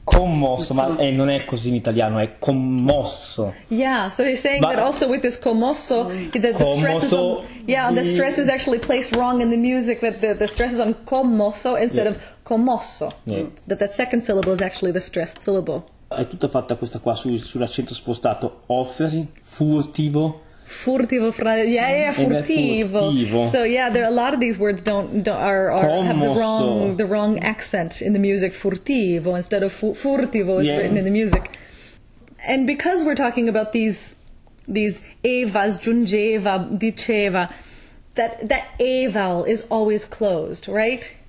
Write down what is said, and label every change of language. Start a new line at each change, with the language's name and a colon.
Italian: Commosso, ma non è così in italiano, è commosso.
English: Yeah, so he's saying that also with this commosso, the stress is actually placed wrong in the music, that the stress is on commosso instead of commosso. Yeah. That second syllable is actually the stressed syllable.
Italian: È tutta fatta questa qua sull'accento spostato, offrasi, furtivo. Furtivo, furtivo. Furtivo.
English: So yeah, there a lot of these words don't have the wrong accent in the music. Furtivo instead of furtivo is written in the music. And because we're talking about these evas, giungeva, diceva, that a vowel is always closed, right?